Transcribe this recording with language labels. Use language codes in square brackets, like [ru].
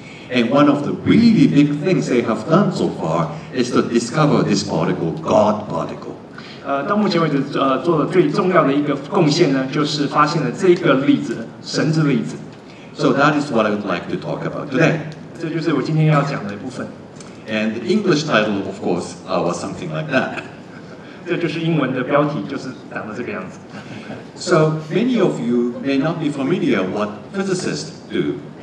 [en] And one of the really big things they have done so far is to discover this particle, God particle. [zh] 到目前为止，做的最重要的一个贡献呢，就是发现了这个粒子，神之粒子。 [en] So that is what I would like to talk about today. [zh] 这就是我今天要讲的一部分。 [en] And the English title, of course, was something like that. [zh] 这就是英文的标题，就是长得这个样子。 [en] So many of you may not be familiar what physicists do.